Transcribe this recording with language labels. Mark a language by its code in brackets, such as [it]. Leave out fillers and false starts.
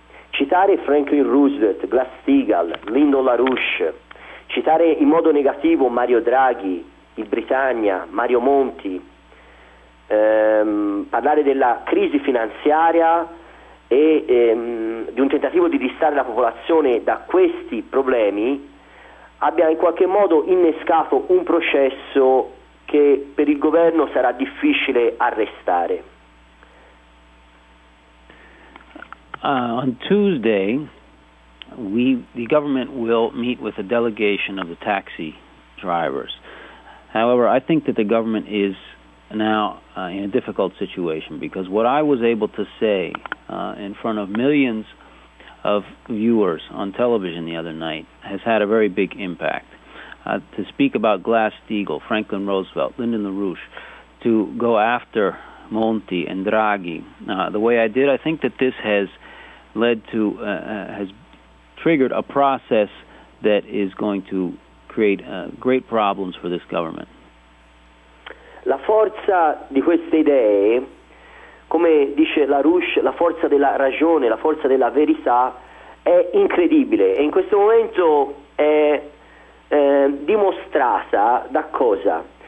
[it] Citare Franklin Roosevelt, Glass-Steagall, Lyndon LaRouche, citare in modo negativo Mario Draghi, il Britannia, Mario Monti, parlare della crisi finanziaria e di un tentativo di distrarre la popolazione da questi problemi abbia in qualche modo innescato un processo che per il governo sarà difficile arrestare. [en] On Tuesday, the government will meet with a delegation of the taxi drivers. However, I think that the government is now in a difficult situation, because what I was able to say in front of millions of viewers on television the other night has had a very big impact. To speak about Glass-Steagall, Franklin Roosevelt, Lyndon LaRouche, to go after Monti and Draghi the way I did, I think that this has led to, has triggered a process that is going to create great problems for this government. [it] La forza di queste idee, come dice LaRouche, la forza della ragione, la forza della verità, è incredibile e in questo momento è dimostrata da cosa?